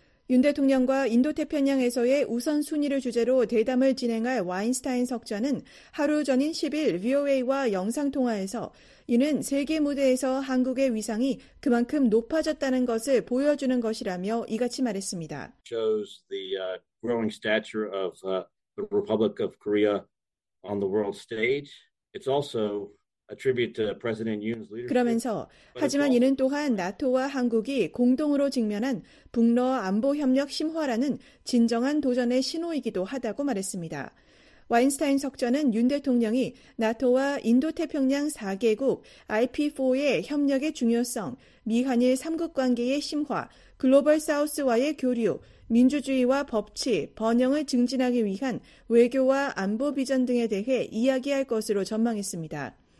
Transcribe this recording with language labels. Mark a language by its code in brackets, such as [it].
[ko] 윤 대통령과 인도태평양에서의 우선순위를 주제로 대담을 진행할 와인스타인 석좌는 하루 전인 10일 VOA와 영상통화에서 이는 세계 무대에서 한국의 위상이 그만큼 높아졌다는 것을 보여주는 것이라며 이같이 말했습니다. [en] Shows the growing stature of the Republic of Korea on the world stage. It's also a tribute to President Yoon's leadership. [ko] 그러면서 하지만 이는 또한 나토와 한국이 공동으로 직면한 북러 안보 협력 심화라는 진정한 도전의 신호이기도 하다고 말했습니다. 와인스타인 석좌는 윤 대통령이 나토와 인도태평양 4개국 IP4의 협력의 중요성, 미한일 3국 관계의 심화, 글로벌 사우스와의 교류, 민주주의와 법치, 번영을 증진하기 위한 외교와 안보 비전 등에 대해 이야기할 것으로 전망했습니다.